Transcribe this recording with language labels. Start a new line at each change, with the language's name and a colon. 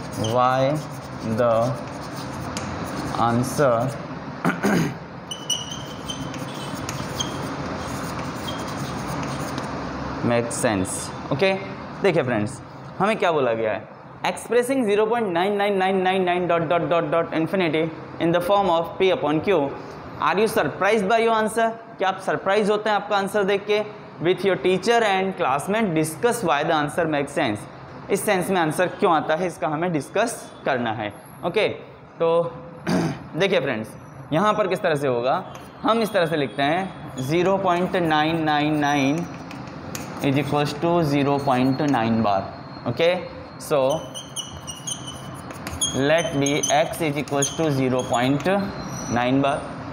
English: Why the answer makes sense. Okay?
Hindi: देखिए friends, हमें क्या बोला गया है?
English: Expressing 0.99999...infinity in the form of p upon q. Are you surprised by your answer?
Hindi: क्या आप surprise होते हैं आपका answer देख के?
English: With your teacher and classmate discuss why the answer makes sense.
Hindi: इस सेंस में आंसर क्यों आता है इसका हमें डिस्कस करना है, ओके तो देखिए फ्रेंड्स यहाँ पर किस तरह से होगा, हम इस तरह से लिखते हैं 0.999
English: Is equals to 0.9 bar. Okay so let be x is equals to 0.9 bar.